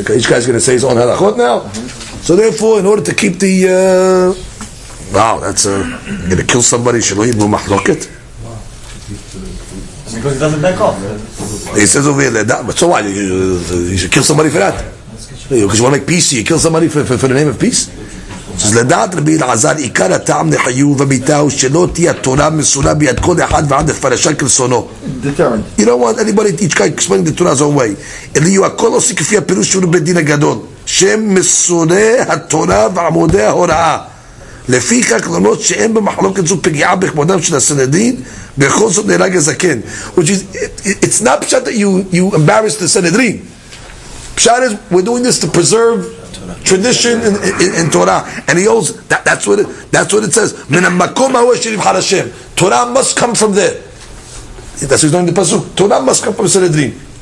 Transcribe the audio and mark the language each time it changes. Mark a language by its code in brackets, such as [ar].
[en] Each guy's going to say his own halachot now. So therefore, in order to keep the... you're going to kill somebody, [he] shelo yirbu mahloket? [en] Because he doesn't back off. He says over here, so why? You should kill somebody for that? Because you want to make peace, you kill somebody for the name of peace? [he] So לדעת רבי אלעזר עיקר הטעם לחיוב ומיתהו שלא תהיה תורה מסורה ביד כל אחד ועד הפרשה כרסונו. [en] Determined. You don't want anybody to each guy explaining the Torah's own way. [he] אלא יהיו הכל עושים כפי הפירוש של בית דין הגדול. שהם מסורי התורה ועמודי ההוראה. לפי כך למרות שאין במחלוקת זו פגיעה בכבודם של הסנהדרין, בכל זאת נהרג הזקן. [en] Which is, it's not pshat that you embarrass the Sanhedrin. Pshat is, we're doing this to preserve tradition in Torah, and he holds that's what it says. Torah must come from there. That's what he's doing in the pasuk. Torah must come from Sanhedrin.